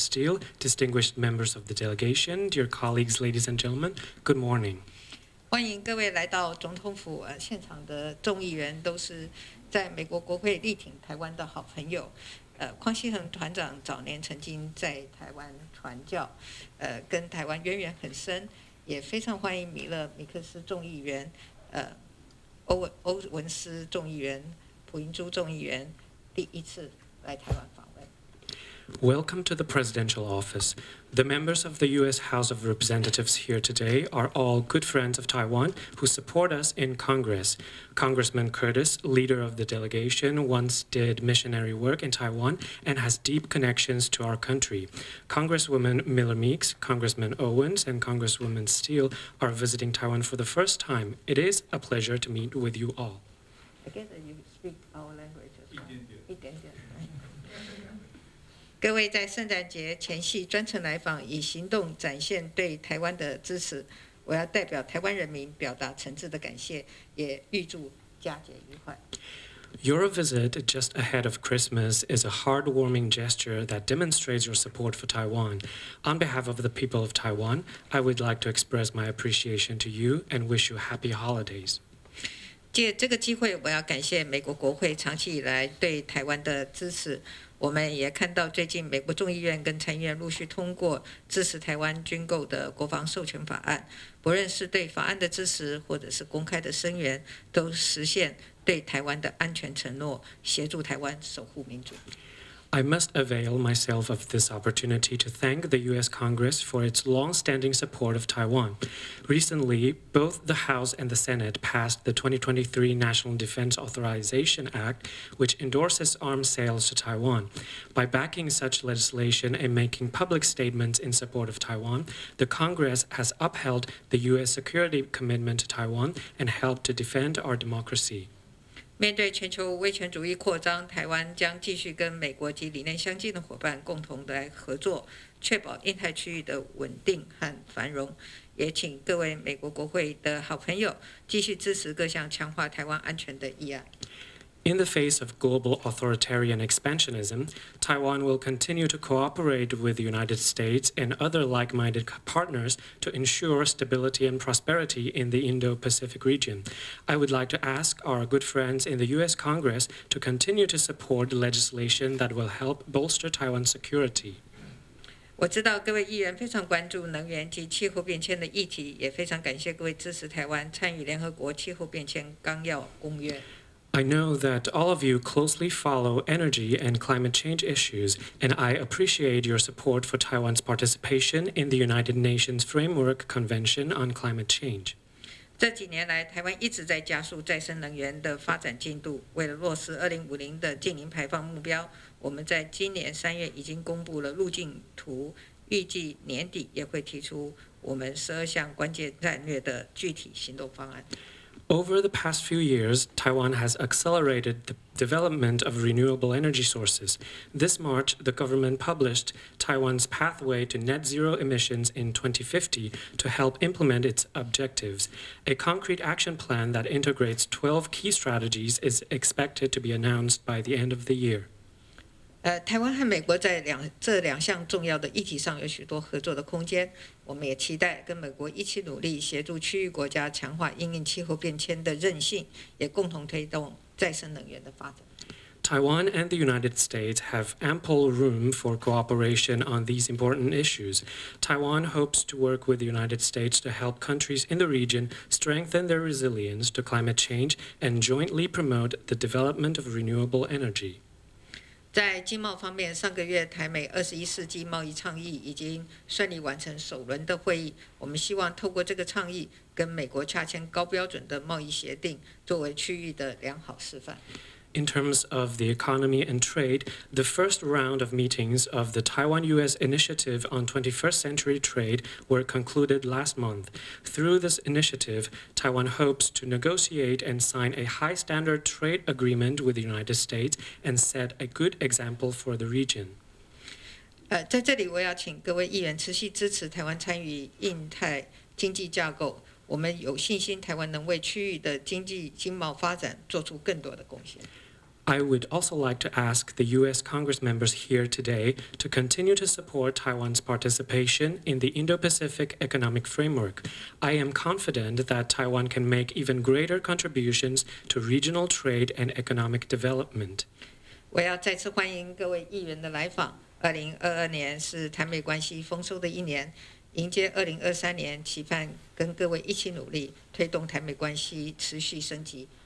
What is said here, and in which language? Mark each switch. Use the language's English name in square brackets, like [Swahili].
[English] Steele, distinguished members of the delegation, dear colleagues, ladies and gentlemen, good morning. [Chinese] 欢迎各位来到总统府，现场的众议员都是在美国国会力挺台湾的好朋友。匡希恒团长早年曾经在台湾传教，跟台湾渊源很深。也非常欢迎米勒米克斯众议员，欧文斯众议员、蒲英珠众议员第一次来台湾访问。 [English] Welcome to the presidential office. The members of the U.S. House of Representatives here today are all good friends of Taiwan who support us in Congress. Congressman Curtis, leader of the delegation, once did missionary work in Taiwan and has deep connections to our country. Congresswoman Miller Meeks, Congressman Owens, and Congresswoman Steele are visiting Taiwan for the first time. It is a pleasure to meet with you all. I guess you speak our language as well. Yeah, yeah. [Chinese] 各位在圣诞节前夕专程来访，以行动展现对台湾的支持，我要代表台湾人民表达诚挚的感谢，也预祝佳节愉快。 [English] Your visit just ahead of Christmas is a heartwarming gesture that demonstrates your support for Taiwan. On behalf of the people of Taiwan, I would like to express my appreciation to you and wish you happy holidays. [Chinese] 借这个机会，我要感谢美国国会长期以来对台湾的支持。我们也看到最近美国众议院跟参议院陆续通过支持台湾军购的国防授权法案，不论是对法案的支持或者是公开的声援，都实现对台湾的安全承诺，协助台湾守护民主。 [English] I must avail myself of this opportunity to thank the U.S. Congress for its long-standing support of Taiwan. Recently, both the House and the Senate passed the 2023 National Defense Authorization Act, which endorses arms sales to Taiwan. By backing such legislation and making public statements in support of Taiwan, the Congress has upheld the U.S. security commitment to Taiwan and helped to defend our democracy. [Chinese] 面对全球威权主义扩张，台湾将继续跟美国及理念相近的伙伴共同来合作，确保印太区域的稳定和繁荣。也请各位美国国会的好朋友继续支持各项强化台湾安全的议案。 [English] In the face of global authoritarian expansionism, Taiwan will continue to cooperate with the United States and other like-minded partners to ensure stability and prosperity in the Indo-Pacific region. I would like to ask our good friends in the U.S. Congress to continue to support legislation that will help bolster Taiwan's security. [Chinese] 我知道各位议员非常关注能源及气候变迁的议题，也非常感谢各位支持台湾参与联合国气候变迁纲要公约。 [English] I know that all of you closely follow energy and climate change issues, and I appreciate your support for Taiwan's participation in the United Nations Framework Convention on Climate Change. [Chinese] 这几年来，台湾一直在加速再生能源的发展进度。为了落实2050的净零排放目标，我们在今年三月已经公布了路径图，预计年底也会提出我们12项关键战略的具体行动方案。 [English] Over the past few years, Taiwan has accelerated the development of renewable energy sources. This March, the government published Taiwan's pathway to net zero emissions in 2050 to help implement its objectives. A concrete action plan that integrates 12 key strategies is expected to be announced by the end of the year. [Chinese] 台湾和美国在这两项重要的议题上有许多合作的空间，我们也期待跟美国一起努力，协助区域国家强化因应气候变迁的韧性，也共同推动再生能源的发展。 [English] Taiwan and the United States have ample room for cooperation on these important issues. Taiwan hopes to work with the United States to help countries in the region strengthen their resilience to climate change and jointly promote the development of renewable energy. [Chinese] 在经贸方面，上个月台美21世纪贸易倡议已经顺利完成首轮的会议。我们希望透过这个倡议跟美国洽签高标准的贸易协定，作为区域的良好示范。 [English] in terms of the economy and trade, the first round of meetings of the Taiwan-US Initiative on 21st Century Trade were concluded last month. Through this initiative, Taiwan hopes to negotiate and sign a high-standard trade agreement with the United States and set a good example for the region. [Chinese] 在这里我要请各位议员持续支持台湾参与印太经济架构，我们有信心台湾能为区域的经济经贸发展做出更多的贡献。 [English] I would also like to ask the U.S. Congress members here today to continue to support Taiwan's participation in the Indo-Pacific Economic Framework. I am confident that Taiwan can make even greater contributions to regional trade and economic development. [Chinese] 我要再次欢迎各位议员的来访。2022年是台美关系丰收的一年，迎接2023年，期盼跟各位一起努力，推动台美关系持续升级。